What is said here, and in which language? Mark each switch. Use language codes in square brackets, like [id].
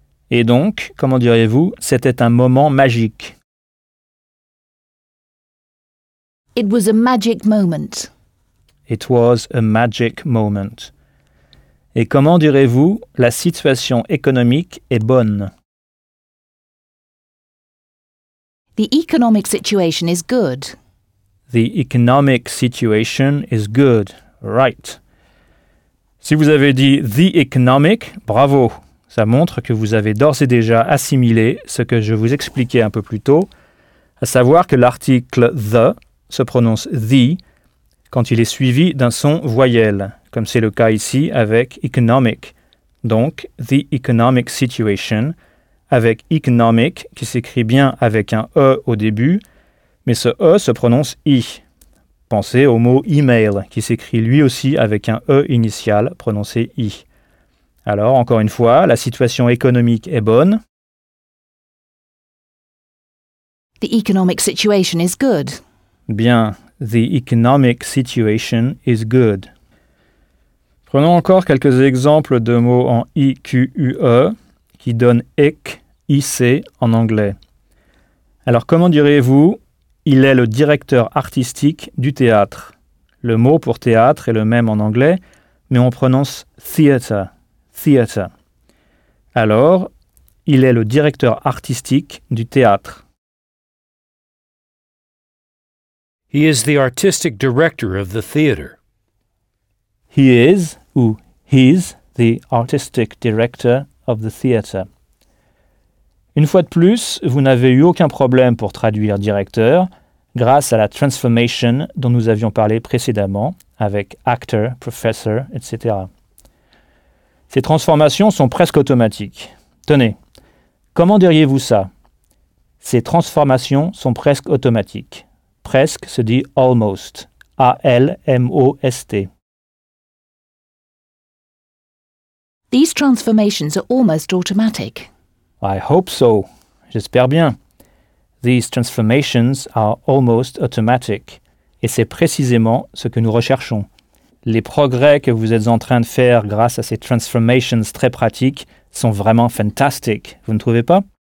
[fr] Et donc, comment diriez-vous, c'était un moment magique? [en] It was a magic moment. It was a magic moment. [fr] Et comment direz-vous, la situation économique est bonne? [en] The economic situation is good. The economic situation is good. [fr] Right. Si vous avez dit [en] the economic, [fr] bravo. Ça montre que vous avez d'ores et déjà assimilé ce que je vous expliquais un peu plus tôt, à savoir que l'article the se prononce the quand il est suivi d'un son voyelle, comme c'est le cas ici avec economic. Donc, [en] the economic situation, [fr] avec economic qui s'écrit bien avec un e au début, mais ce e se prononce i. Pensez au mot email qui s'écrit lui aussi avec un e initial prononcé i. Alors, encore une fois, la situation économique est bonne. [en] The economic situation is good. Bien, the economic situation is good. [fr] Prenons encore quelques exemples de mots en IQUE qui donnent EC, IC en anglais. Alors, comment direz-vous? Il est le directeur artistique du théâtre. Le mot pour théâtre est le même en anglais, mais on prononce theater, theater. Alors, il est le directeur artistique du théâtre. [en] He is the artistic director of the theater. He is, ou he's, the artistic director of the theater. [fr] Une fois de plus, vous n'avez eu aucun problème pour traduire directeur, grâce à la transformation dont nous avions parlé précédemment, avec actor, professor, etc. Ces transformations sont presque automatiques. Tenez, comment diriez-vous ça? Ces transformations sont presque automatiques. Presque se dit almost, A-L-M-O-S-T. [en] These transformations are almost automatic. I hope so. [fr] J'espère bien. [en] These transformations are almost automatic. [fr] Et c'est précisément ce que nous recherchons. Les progrès que vous êtes en train de faire grâce à ces transformations très pratiques sont vraiment fantastiques, vous ne trouvez pas?